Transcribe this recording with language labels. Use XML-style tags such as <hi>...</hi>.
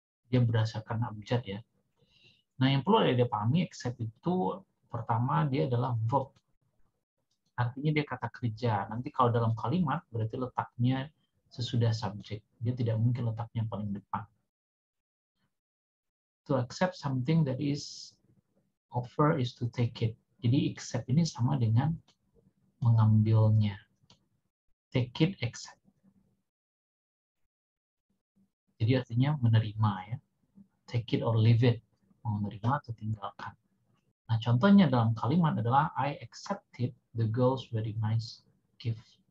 <id>Dia berdasarkan abjad ya. Nah, yang perlu ada pahami, except itu pertama dia adalah verb. Artinya dia kata kerja. Nanti kalau dalam kalimat, berarti letaknya sesudah subjek. Dia tidak mungkin letaknya paling depan.</id> <en>To accept something that is offer is to take it.</en> <id>Jadi accept ini sama dengan mengambilnya.</id> <en>Take it, accept.</en> <id>Jadi artinya menerima ya.</id> <en>Take it or leave it.</en> <id>Menerima atau tinggalkan. Nah, contohnya dalam kalimat adalah</id> <en>I accepted the girl's very nice gift.</en>